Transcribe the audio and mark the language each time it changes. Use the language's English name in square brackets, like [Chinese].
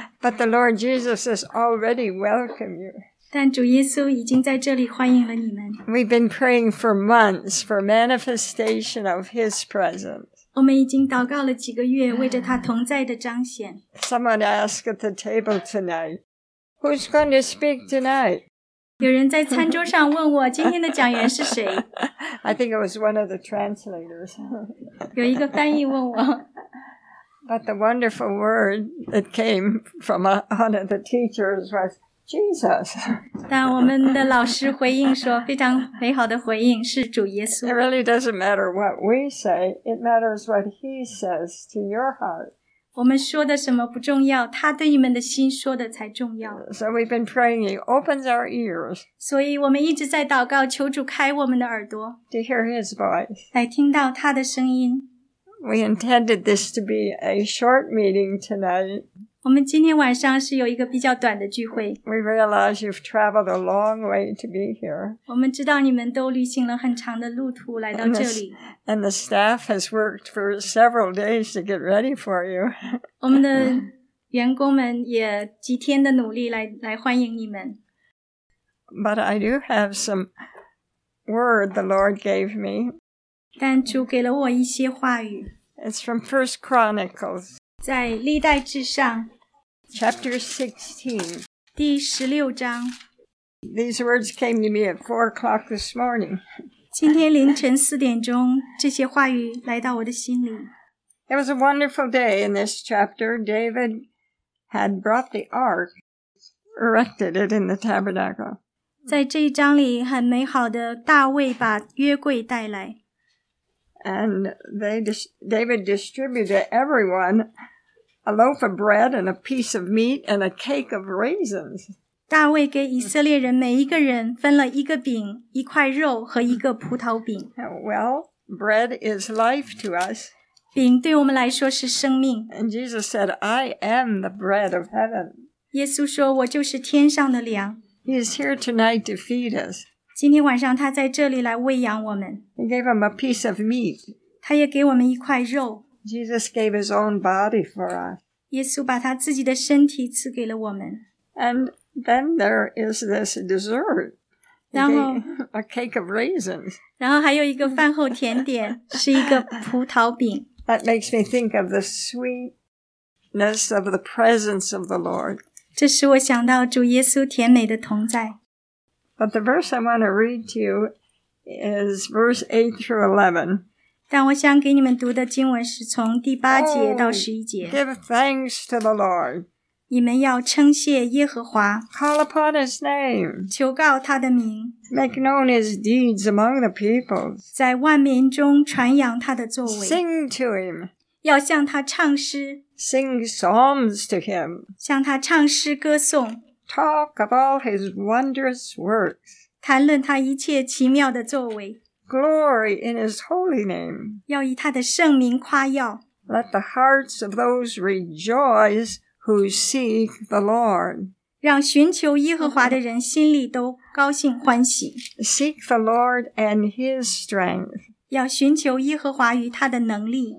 [English] But the Lord Jesus has already welcomed you. [Chinese] 但主耶稣已经在这里欢迎了你们。 [English] We've been praying for months for manifestation of His presence. [Chinese] 我们已经祷告了几个月，为着他同在的彰显。 [English] Someone asked at the table tonight, "Who's going to speak tonight?" [Chinese] 有人在餐桌上问我今天的讲员是谁。 [English] I think it was one of the translators. [Chinese] 有一个翻译问我。 [English] But the wonderful word that came from one of the teachers was Jesus. [Chinese] 但我们的老师回应说，非常美好的回应是主耶稣。 [English] It really doesn't matter what we say; it matters what He says to your heart. [Chinese] 我们说的什么不重要，他对你们的心说的才重要。 [English] So we've been praying; He opens our ears. [Chinese] 所以我们一直在祷告，求主开我们的耳朵 [English] to hear His voice. [Chinese] 来听到他的声音。 [English] We intended this to be a short meeting tonight. [Chinese] 我们今天晚上是有一个比较短的聚会。 [English] We realize you've traveled a long way to be here. [Chinese] 我们知道你们都旅行了很长的路途来到这里。 [English] And the staff has worked for several days to get ready for you. [Chinese] 我们的员工们也几天的努力来欢迎你们。 [English] But I do have some word the Lord gave me. [Chinese] 但主给了我一些话语。 [English] It's from 1 Chronicles. [Chinese] 在历代志上 [English] Chapter 16 [Chinese] 第十六章 [English] These words came to me at 4 o'clock this morning. [Chinese] 今天凌晨四点钟这些话语来到我的心里 [English] It was a wonderful day in this chapter. David had brought the ark, erected it in the tabernacle. [Chinese] 在这一章里很美好的大卫把约柜带来 [English] And David distributed to everyone a loaf of bread and a piece of meat and a cake of raisins. [Chinese] 大卫给以色列人每一个人分了一个饼、一块肉和一个葡萄饼。 [English] Well, bread is life to us. [Chinese] 饼对我们来说是生命。 [English] And Jesus said, I am the bread of heaven. [Chinese] 耶稣说，我就是天上的粮。 [English] He is here tonight to feed us. [Chinese] 今天晚上他在这里来喂养我们。 [English] He gave him a piece of meat. [Chinese] 他也给我们一块肉。 [English] Jesus gave his own body for us. [Chinese] 耶稣把他自己的身体赐给了我们。 [English] And then there is this dessert. [Chinese] 然后 [English] a cake of raisins. [Chinese] 然后还有一个饭后甜点是一个葡萄饼。 [English] That makes me think of the sweetness of the presence of the Lord. [Chinese] 这使我想到主耶稣甜美的同在。 [English] But the verse I want to read to you is verse 8 through 11. [Chinese] 但我想给你们读的经文是从第八节到十一节。 [English] Oh, give thanks to the Lord. [Chinese] 你们要称谢耶和华。 [English] Call upon his name. [Chinese] 求告他的名。 [English] Make known his deeds among the peoples. [Chinese] 在万民中传扬他的作为。 [English] Sing to him. [Chinese] 要向他唱诗。 [English] Sing psalms to him. [Chinese] 向他唱诗歌颂。 [English] Talk of all his wondrous works. [Chinese] 谈论他一切奇妙的作为。 [English] Glory in his holy name. [Chinese] 要以他的圣名夸耀。 [English] Let the hearts of those rejoice who seek the Lord. [Chinese] 让寻求耶和华的人心里都高兴欢喜。 [English] Seek the Lord and his strength. [Chinese] 要寻求耶和华与他的能力。